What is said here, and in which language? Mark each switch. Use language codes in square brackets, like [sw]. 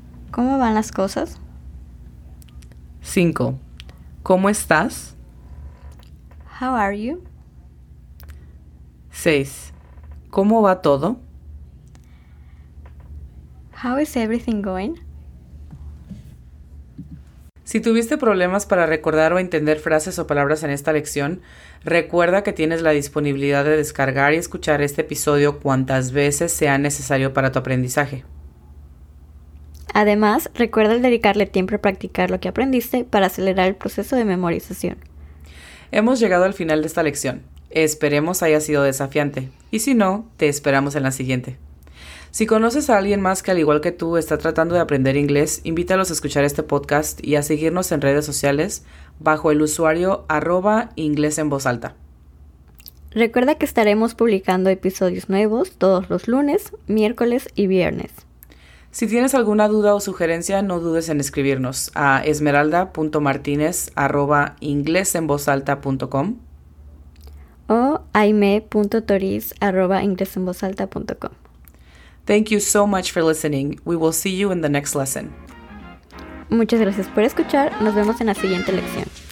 [es] ¿Cómo van las cosas? 5. ¿Cómo estás? [en] How are you? [es] 6. ¿Cómo va todo? [en] How is everything going? [es] Si tuviste problemas para recordar o entender frases o palabras en esta lección, recuerda que tienes la disponibilidad de descargar y escuchar este episodio cuantas veces sea necesario para tu aprendizaje. Además, recuerda dedicarle tiempo a practicar lo que aprendiste para acelerar el proceso de memorización. Hemos llegado al final de esta lección. Esperemos haya sido desafiante. Y si no, te esperamos en la siguiente. Si conoces a alguien más que al igual que tú está tratando de aprender inglés, invítalos a escuchar este podcast y a seguirnos en redes sociales bajo el usuario @inglesenvozalta. Recuerda que estaremos publicando episodios nuevos todos los lunes, miércoles y viernes. Si tienes alguna duda o sugerencia, no dudes en escribirnos a esmeralda.martinez@inglesenvozalta.com o aime.toriz@inglesenvozalta.com. [en] Thank you so much for listening. We will see you in the next lesson. [es] Muchas gracias por escuchar. Nos vemos en la siguiente lección.